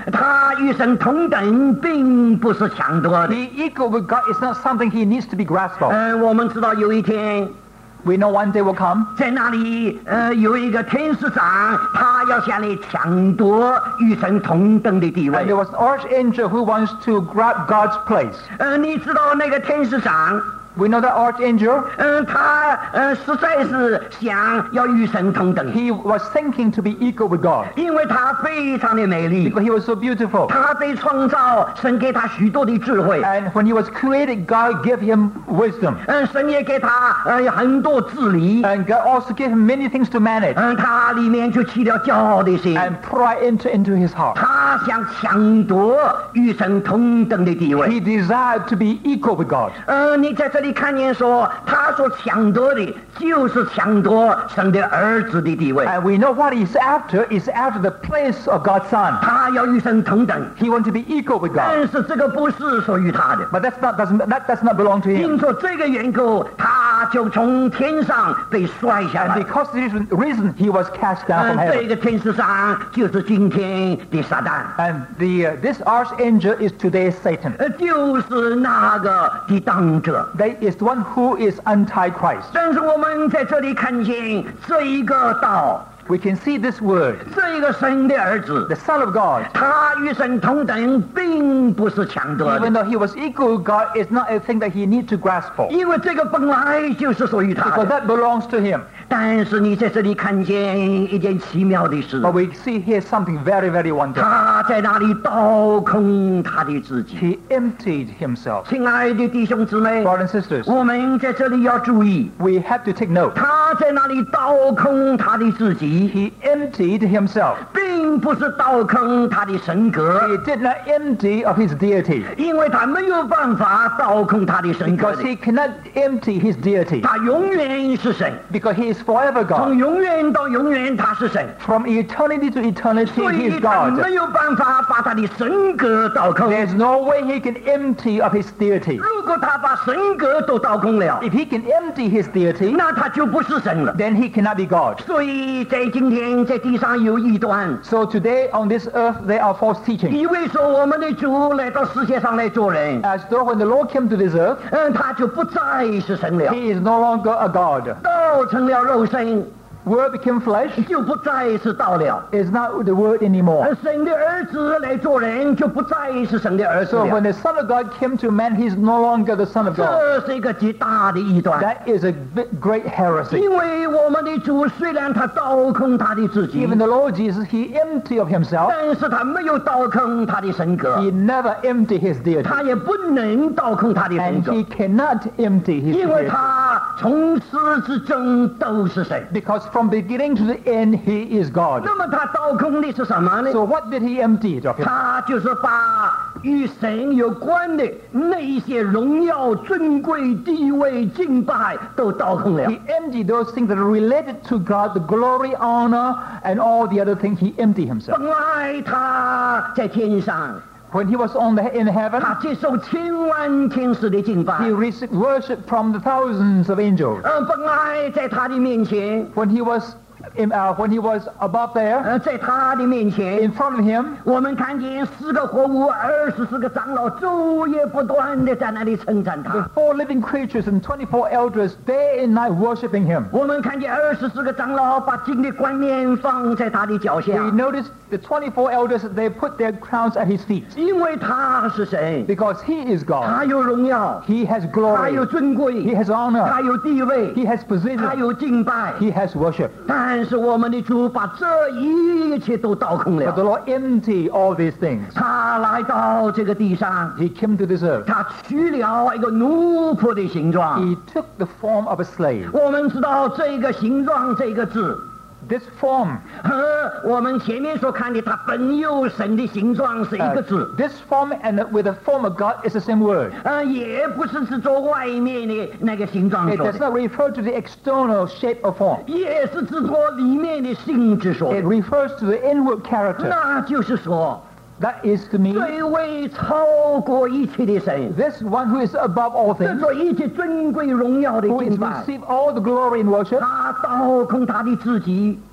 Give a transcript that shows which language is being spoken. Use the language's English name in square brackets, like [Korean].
[Chinese] 他与神同等并不是强多的。 [English] Be equal with God is not something he needs to be grasped of. [Chinese] 我们知道有一天, [English] we know one day will come. [Chinese] 在那里有一个天使长，他要向你抢夺与神同等的地位。 [English] And there was an archangel who wants to grab God's place. [Chinese] 你知道那个天使长, [English] we know that archangel. [Chinese] 他实在是想要与神同等。 [English] He was thinking to be equal with God. [Chinese] 因为他非常的美丽。 [English] Because he was so beautiful. [Chinese] 他被创造，神给他许多的智慧。 [English] And when he was created, God gave him wisdom. [Chinese] 神也给他很多治理。 [English] And God also gave him many things to manage. [Chinese] 他里面就起了骄傲的心。 [English] And pride entered into his heart. [Chinese] 他想抢夺与神同等的地位。 [English] He desired to be equal with God. [Chinese] 你看见说他所抢夺的就是抢夺神的儿子的地位。 [English] And we know what he's after is after the place of God's son. [Chinese] 他要与神同等。 [English] He wants to be equal with God. [Chinese] 但是这个不是属于他的。 [English] But that does not belong to him. [Chinese] 因着这个缘故他就从天上被摔下来。 [English] And because of this reason he was cast down from heaven. [Chinese] 这个天使上就是今天的撒旦。 [English] And this archangel is today's Satan. [Chinese] 就是那个抵挡者。 [English] They is the one who is anti-Christ. [Chinese] 但是我们在这里看见这一个道。 [English] We can see this word. [Chinese] 这一个神的儿子, [English] the Son of God. [Chinese] 他与神同等并不是强夺的。 [English] Even though he was equal with God, it's not a thing that he needs to grasp for. [Chinese] 因为这个本来就是属于他的。 [English] Because that belongs to him. [Chinese] 但是你在这里看见一件奇妙的事。But [English] we see here something very, very wonderful. [Chinese] 他在那里倒空他的自己。 [English] He emptied himself. [Chinese] 亲爱的弟兄姊妹, [English] brothers and sisters, [Chinese] 我们在这里要注意。 [English] We have to take note. [Chinese] 他在那里倒空他的自己。 [English] He emptied himself. [Chinese] 并不是倒坑他的神格。 [English] He did not empty of his deity. [Chinese] 因为他没有办法倒坑他的神格。 [English] Because he cannot empty his deity. [Chinese] 他永远是神。 [English] Because he is forever God. [Chinese] 从永远到永远他是神。 [English] From eternity to eternity, he is God. [Chinese] 所以他没有办法把他的神格倒坑。 [English] There's no way he can empty of his deity. [Chinese] 如果他把神格都倒空了。 [English] If he can empty his deity, [Chinese] 那他就不是神了。 [English] Then he cannot be God. [Chinese] 所以在今天在地上有异端。 [English] So today on this earth there are false teachings. [Chinese] 以为说我们的主来到世界上来做人。 [English] As though when the Lord came to this earth, [Chinese] 他就不再是神了。 [English] He is no longer a God. [Chinese] 道成了肉身。 [English] Word became flesh. [Chinese] 就不再是道了。 [English] It's not the word anymore. [Chinese] 神的儿子来做人就不再是神的儿子了。 [English] So when the Son of God came to man, he's no longer the Son of God. [Chinese] 这是一个极大的异端。 [English] That is a great heresy. [Chinese] 因为我们的主虽然他倒空他的自己。 [English] Even the Lord Jesus, he emptied of himself. [Chinese] 但是他没有倒空他的神格。 [English] He never emptied his deity. [Chinese] 他也不能倒空他的神格。 [English] And he cannot empty his deity. [Chinese] 因为他从始至终都是神。 [English] Because from beginning to the end, he is God. [Chinese] 那么他倒空的是什么呢？ [English] So what did he empty it of? [Chinese] 他就是把与神有关的那一些荣耀、尊贵、地位、敬拜都倒空了。 [English] He emptied those things that are related to God, the glory, honor, and all the other things. He emptied himself. [Chinese] 本来他在天上。 [English] When he was on the, in heaven, [Chinese] 他接受千万天使的敬拜。 [English] He received worship from the thousands of angels. [Chinese] 本来在他的面前。 [English] When he was above there, [Chinese] 在他的面前。 [English] In front of him, [Chinese] 我们看见四个活物，24长老昼夜不断地在那里称赞他。 [English] The four living creatures and 24 elders day and night worshiping him. [Chinese] 我们看见24长老把金的冠冕放在他的脚下。 [English] We noticed the 24 elders, they put their crowns at his feet. [Chinese] 因为他是谁？ [English] Because he is God. [Chinese] 他有荣耀。 [English] He has glory. [Chinese] 他有尊贵。 [English] He has honor. [Chinese] 他有地位。 [English] He has position. [Chinese] 他有敬拜。 [English] He has worship. [Chinese] 但是我们的主把这一切都倒空了。 [English] But the Lord emptied all these things. [Chinese] 他来到这个地上。 [English] He came to this earth. [Chinese] 他取了一个奴仆的形状。 [English] He took the form of a slave. [Chinese] 我们知道这个形状这个字。 [English] This form, [Chinese] 和我们前面所看的他本有神的形状是一个字。 [English] This form and with the form of God is the same word. [Chinese] 也不是指着外面的那个形状说的。 [English] It does not refer to the external shape or form. [Chinese] 也是指着里面的性质说的。 [English] It refers to the inward character. [Chinese] 那就是说。 [English] That is to me. [Chinese] 这位超过一切的神。 [English] This one who is above all things. [Chinese] 这座一切尊贵荣耀的敬拜。 [English] Who receive all the glory and worship. [Chinese] 他倒空他的自己。